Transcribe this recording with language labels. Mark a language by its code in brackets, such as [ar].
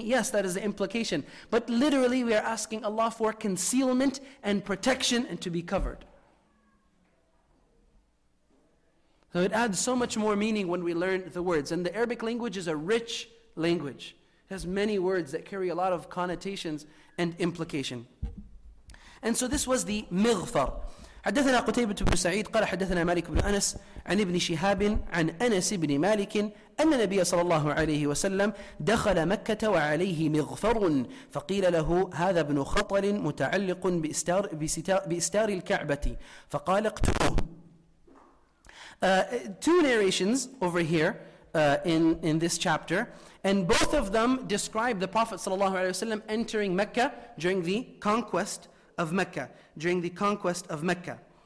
[en] Yes, that is the implication. But literally we are asking Allah for concealment and protection and to be covered. So it adds so much more meaning when we learn the words. And the Arabic language is a rich language. It has many words that carry a lot of connotations and implication. And so this was the مغفر. [ar] حدثنا قتيبة بن سعيد قال حدثنا مالك بن أنس عن ابن شهاب عن أنس بن مالك أن النبي صلى الله عليه وسلم دخل مكة وعليه مغفر فقيل له هذا ابن خطل متعلق بإستار الكعبة فقال اقتلوه. [en] Two narrations over here in this chapter. And both of them describe the Prophet ﷺ entering Mecca during the conquest of Mecca. During the conquest of Mecca.